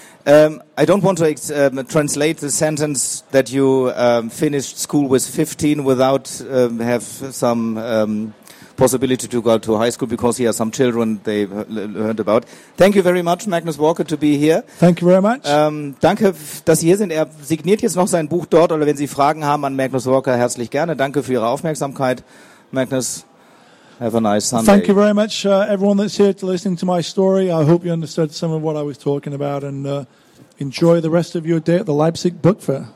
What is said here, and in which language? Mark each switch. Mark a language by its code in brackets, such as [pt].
[en] I don't want to translate the sentence that you finished school with 15 without have some possibility to go to high school, because he has some children they learned about. Thank you very much, Magnus Walker, to be here. Thank you very much. [de] Danke, dass Sie hier sind. Er signiert jetzt noch sein Buch dort, oder wenn Sie Fragen haben an Magnus Walker, herzlich gerne. Danke für Ihre Aufmerksamkeit, Magnus. [en] Have a nice Sunday. Thank you very much, everyone that's here to listen to my story. I hope you understood some of what I was talking about, and enjoy the rest of your day at the Leipzig Book Fair.